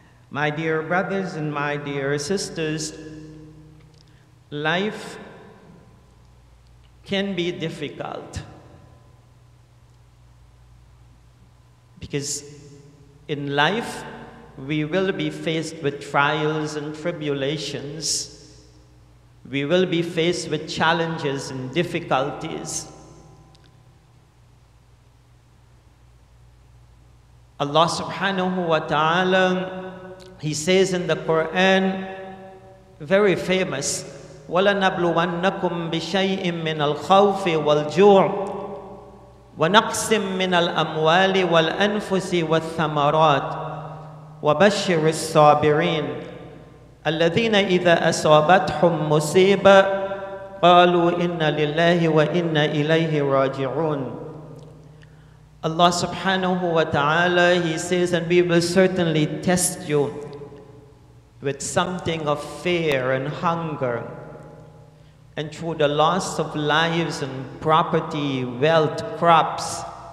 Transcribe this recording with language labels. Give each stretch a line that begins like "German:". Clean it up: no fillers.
English: My dear brothers and my dear sisters, life can be difficult, because in life we will be faced with trials and tribulations. We will be faced with challenges and difficulties.
Arabic: Allah subhanahu wa ta'ala,
English: He says in the Quran, very famous,
Arabic: وَلَنَبْلُوَنَّكُمْ بِشَيْءٍ مِّنَ الْخَوْفِ وَالْجُوعِ وَنَقْسٍ مِّنَ الْأَمْوَالِ وَالْأَنفُسِ وَالثَّمَرَاتِ وَبَشِّرِ الصَّابِرِينَ الَّذِينَ إِذَا أَصَابَتْهُمْ مُصِيبَةٌ قَالُوا إِنَّ لِلَّهِ وَإِنَّ إِلَيْهِ رَاجِعُونَ.
English: Allah subhanahu wa ta'ala, He says, and we will certainly test you with something of fear and hunger, and through the loss of lives and property, wealth, crops.